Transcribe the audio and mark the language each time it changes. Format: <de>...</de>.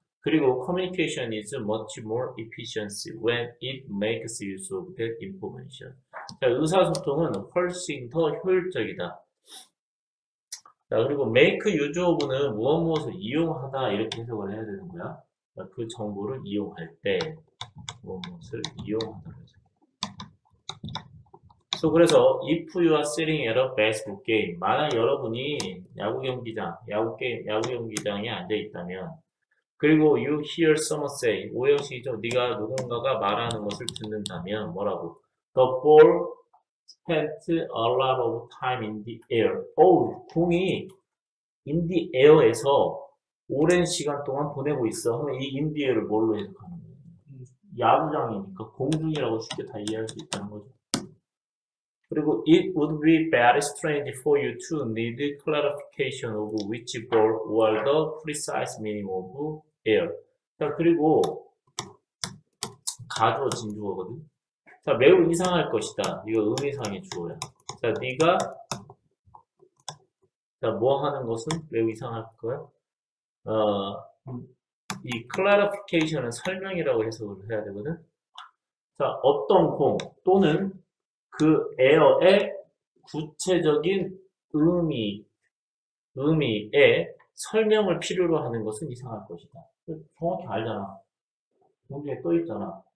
<ko>그리고</ko> <en>communication is much more efficiency when it makes use of that information.</en> <ko>자, 의사소통은 훨씬 더 효율적이다. 자, 그리고</ko> <en>make use of</en> <ko>는 무엇무엇을 이용하다 이렇게 해석을 해야 되는 거야. 그 정보를 이용할 때 무엇무엇을 이용한다고 해서.</ko> <en>So,</en> <ko>그래서</ko> <en>if you are sitting at a basketball game,</en> <ko>만약 여러분이 야구 경기장에 앉아 있다면, 그리고</ko> <en>you hear someone say,</en> <ko>5형식이죠. 네가 누군가가 말하는 것을 듣는다면 뭐라고?</ko> <en>The ball spent a lot of time in the air.</en> <ko>오, 공이</ko> <en>in the air</en> <ko>에서 오랜 시간 동안 보내고 있어. 그러면 이</ko> <en>in the air</en> <ko>을 뭘로 해석하는 거예요? 야구장이니까 공중이라고 쉽게 다 이해할 수 있다는 거죠. 그리고</ko> <en>it would be very strange for you to need clarification of which ball were the precise meaning of air.</en> <ko>자, 그리고 가주어 진주어거든. 자, 매우 이상할 것이다. 이거 의미상의 주어야. 자, 네가 뭐 하는 것은 매우 이상할 거야. 이 clarification은 설명이라고 해석을 해야 되거든. 자, 어떤 공 또는 그 에어의 구체적인 의미에 설명을 필요로 하는 것은 이상할 것이다. 정확히 알잖아. 공중에 떠 있잖아.</ko>